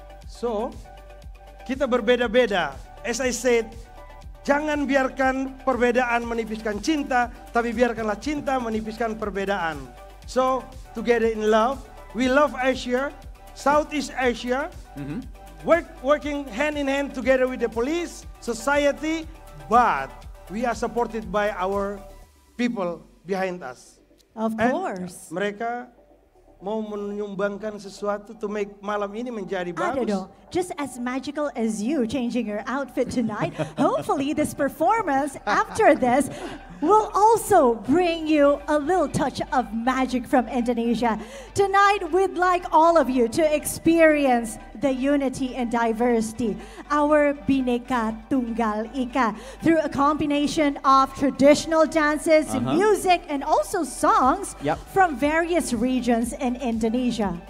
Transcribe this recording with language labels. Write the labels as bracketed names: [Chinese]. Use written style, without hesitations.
[Indonesian] So, kita berbeda-beda. [English] As I said, [Indonesian] jangan biarkan perbedaan menipiskan cinta, tapi biarkanlah cinta menipiskan perbedaan. [English] So, together in love, we love Asia, Southeast Asia, working hand in hand together with the police, society, but we are supported by our people behind us. Of course. [Indonesian] And mereka mau menyumbangkan sesuatu [English] to make [Indonesian] malam ini menjadi bagus. [English] I don't know. Just as magical as you changing your outfit tonight, hopefully this performance after this will also bring you a little touch of magic from Indonesia. Tonight we'd like all of you to experience the unity and diversity, our Bhinneka Tunggal Ika, through a combination of traditional dances, music, and also songs from various regions in Indonesia.